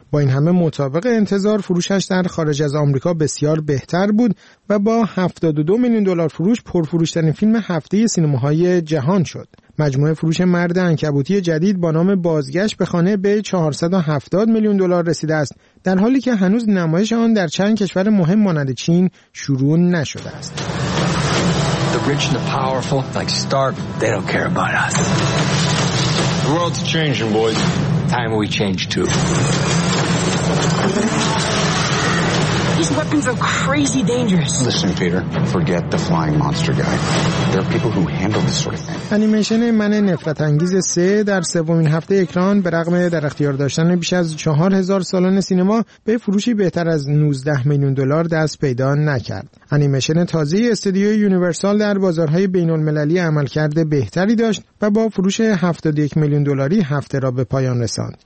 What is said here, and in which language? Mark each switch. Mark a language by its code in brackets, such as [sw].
[fa] با این همه مطابق انتظار فروشش در خارج از آمریکا بسیار بهتر بود و با 72 میلیون دلار فروش پرفروش‌ترین فیلم هفته سینماهای جهان شد. مجموعه فروش مرد عنکبوتی جدید با نام بازگشت به خانه به 470 میلیون دلار رسیده است، در حالی که هنوز نمایش آن در چند کشور مهم مانند چین شروع نشده است. [en] The rich and the powerful like Stark, they don't care about us. The world's changing, boys. Time we change too. These weapons are crazy dangerous. Listen, Peter, forget the flying monster guy. There are people who handle this sort of thing. [fa] انیمیشن من نفرت انگیز 3 در سومین هفته اکران به رغم در اختیار داشتن بیش از 4000 سالن سینما به فروشی بهتر از 19 میلیون دلار دست پیدا نکرد. انیمیشن تازه استودیو یونیورسال در بازارهای بین المللی عملکرد بهتری داشت و با فروش 71 میلیون دلاری هفته را به پایان رساند.